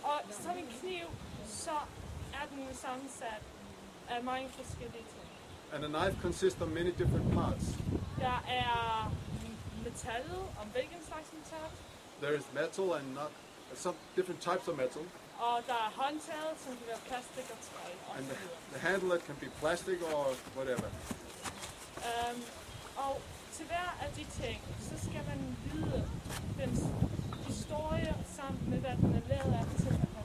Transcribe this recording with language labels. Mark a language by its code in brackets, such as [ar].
[da] Som en kniv, så er den sammensat af mange forskellige ting. [en] And a knife consists of many different parts. [da] Der er metal, og hvilken slags metal? [en] There is metal and not some different types of metal. [da] Og der er håndtaget, som kan være plastik og træ. [en] And the handle can be plastic or whatever. [da] Og til hver af de ting, så skal man vide dens historie sammen med hvad den er lavet af til.